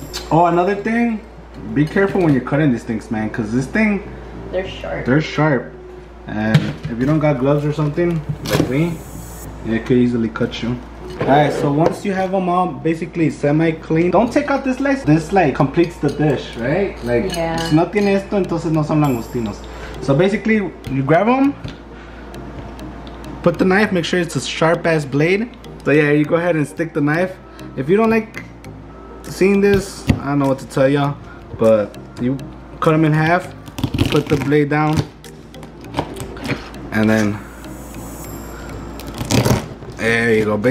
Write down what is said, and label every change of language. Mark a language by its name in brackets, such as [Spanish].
[English] Oh, another thing, be careful when you're cutting these things, man, because this thing, they're sharp. They're sharp. And if you don't got gloves or something like me, it could easily cut you. Alright, so once you have them all basically semi-clean, don't take out this slice. This like completes the dish, right? Like, yeah. [Spanish] Si no tiene esto, entonces no son langostinos. [English] So basically, you grab them, put the knife, make sure it's a sharp-ass blade. So yeah, you go ahead and stick the knife. If you don't like seeing this, I don't know what to tell y'all, but you cut them in half, put the blade down, and then there you go.